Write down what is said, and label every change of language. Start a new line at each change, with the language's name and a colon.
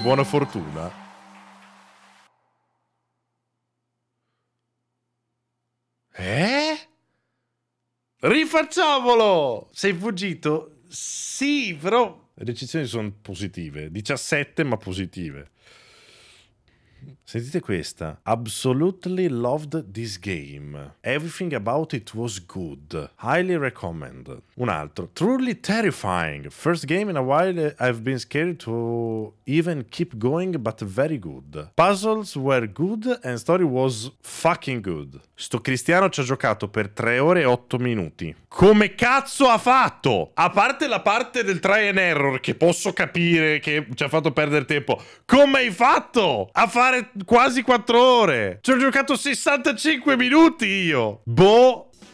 Italian: Buona fortuna. Rifacciamolo! Sei fuggito? Sì, però... Le recensioni sono positive. 17, ma positive. Sentite questa.
English: Absolutely loved this game. Everything about it was good. Highly recommend.
Italian: Un altro.
English: Truly terrifying. First game in a while I've been scared to even keep going, but very good. Puzzles were good and story was fucking good.
Italian: Sto cristiano ci ha giocato per 3 ore e 8 minuti. Come cazzo ha fatto? A parte la parte del
English: try and error,
Italian: che posso capire che ci ha fatto perdere tempo. Come hai fatto a fare quasi 4 ore? Ci ho giocato 65 minuti io. Boh.